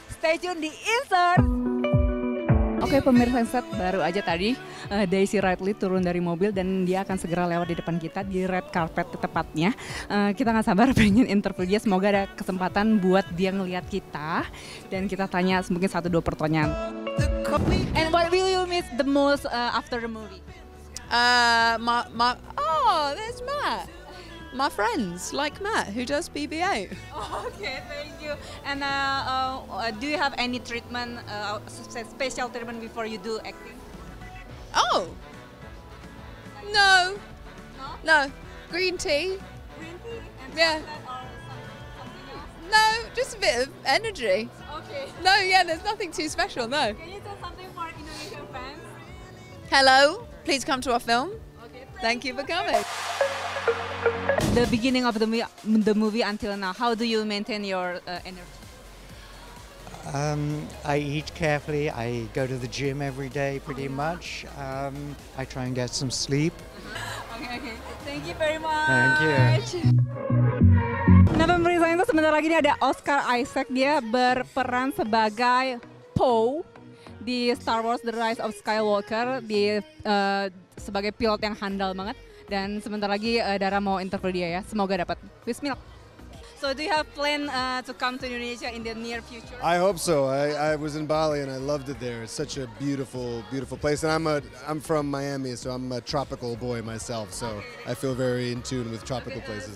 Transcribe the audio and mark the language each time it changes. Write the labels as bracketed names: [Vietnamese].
[Indonesian] Stay tune di Insert! Oke, pemirsa Insert, baru aja tadi Daisy Ridley turun dari mobil dan dia akan segera lewat di depan kita di red carpet tepatnya. Kita gak sabar pengen interview dia, semoga ada kesempatan buat dia ngelihat kita dan kita tanya mungkin 1-2 pertanyaan. [English] And what will you miss the most after the movie? There's Matt. My friends, like Matt, who does BBO. Okay, thank you. And do you have any treatment, special treatment before you do acting? Oh! No. No? No. Green tea. Green tea? Yeah. Something else? No, just a bit of energy. Okay. No, yeah, there's nothing too special, no. Can you tell something for Indonesian fans? Hello, please come to our film. Okay, thank you for coming. The beginning of the movie until now, how do you maintain your energy? I eat carefully, I go to the gym every day pretty much, I try and get some sleep. Okay, thank you very much. Thank you. [Indonesian] Nah, pemirsa, itu sebentar lagi ini ada Oscar Isaac, dia berperan sebagai Poe di Star Wars The Rise of Skywalker, di sebagai pilot yang handal banget. Dan sebentar lagi Dara mau interview dia ya, semoga dapat. Bismillah. [English] So do you have plan to come to Indonesia in the near future? I hope so. I was in Bali and I loved it there. It's such a beautiful place. And I'm from Miami, so I'm a tropical boy myself. So okay. I feel very in tune with tropical places.